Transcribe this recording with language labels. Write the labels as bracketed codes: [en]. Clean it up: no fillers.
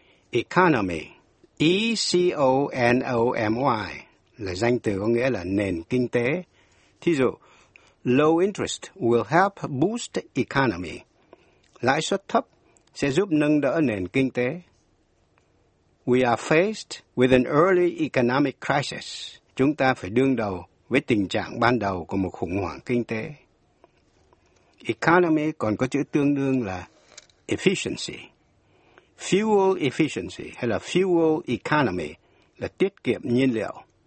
[vi] Economy, E-C-O-N-O-M-Y, là danh từ có nghĩa là nền kinh tế. Thí dụ, [en] low interest will help boost economy. [vi] Lãi suất thấp sẽ giúp nâng đỡ nền kinh tế. [en] We are faced with an early economic crisis. [vi] Chúng ta phải đương đầu với tình trạng ban đầu của một khủng hoảng kinh tế. Economy còn có chữ tương đương là efficiency. Fuel efficiency hay là fuel economy là tiết kiệm nhiên liệu.